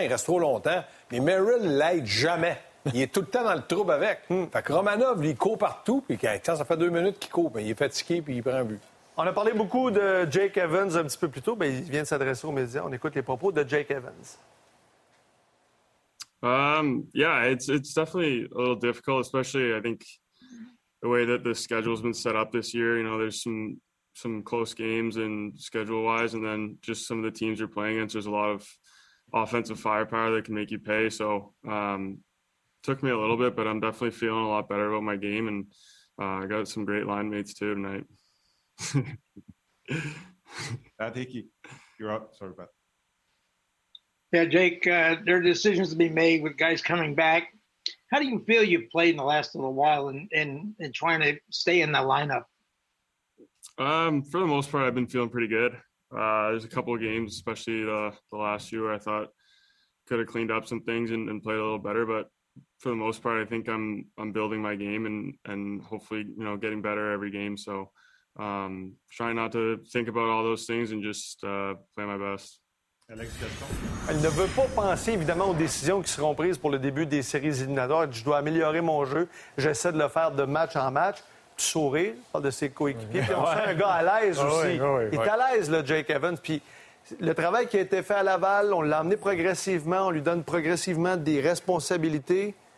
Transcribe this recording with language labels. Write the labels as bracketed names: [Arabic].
[French] Il reste trop longtemps, mais Merrill l'aide jamais. Il est tout le temps dans le trouble avec. Fait que Romanov, lui, il court partout, puis quand ça fait deux minutes qu'il court, bien, il est fatigué, puis il prend un but. On a parlé beaucoup de Jake Evans un petit peu plus tôt, mais il vient de s'adresser aux médias. On écoute les propos de Jake Evans. [English] It's definitely a little difficult, especially I think the way that the schedule's been set up this year. You know, there's some close games and schedule-wise, and then just some of the teams you're playing against, there's a lot of offensive firepower that can make you pay. So took me a little bit, but I'm definitely feeling a lot better about my game. And I got some great line mates too tonight. Matt Hickey, you're up. Sorry about that. Yeah, Jake, there are decisions to be made with guys coming back. How do you feel you've played in the last little while and trying to stay in that lineup? For the most part, I've been feeling pretty good. There's a couple of games, especially the last few, where I thought could have cleaned up some things and played a little better. But for the most part, I think I'm building my game and hopefully, you know, getting better every game. So trying not to think about all those things and just play my best. [French] Elle ne veut pas penser évidemment aux décisions qui seront prises pour le début des séries éliminatoires. Je dois améliorer mon jeu. J'essaie de le faire de match en match. Puis sourire, parle de ses coéquipiers. Puis on sent un gars à l'aise aussi. Il est à l'aise, là, Jake Evans. Puis le travail qui a été fait à Laval, on l'a amené progressivement, on lui donne progressivement des responsabilités.